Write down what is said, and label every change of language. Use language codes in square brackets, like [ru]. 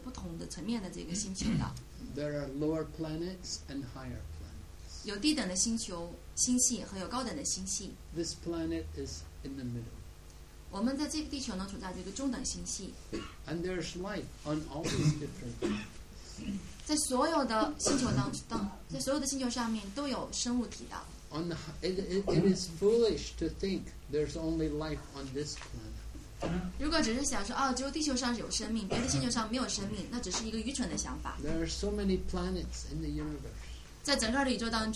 [zh] 在这宇宙当中呢，有不同层面的，有不同的层面的这个星球的。 [en] There are lower planets and higher planets. [zh] 有低等的星球星系和有高等的星系。 [en] This planet is in the middle. [zh] 我们在这个地球呢，处在这个中等星系。 [en] And there's life on all these different planets. [zh] 在所有的星球上面都有生物体的。 [en] It is foolish to think there's only life on this planet. [zh] 如果只是想说，只有地球上有生命，别的星球上没有生命，那只是一个愚蠢的想法。 [en] There are so many planets in the universe.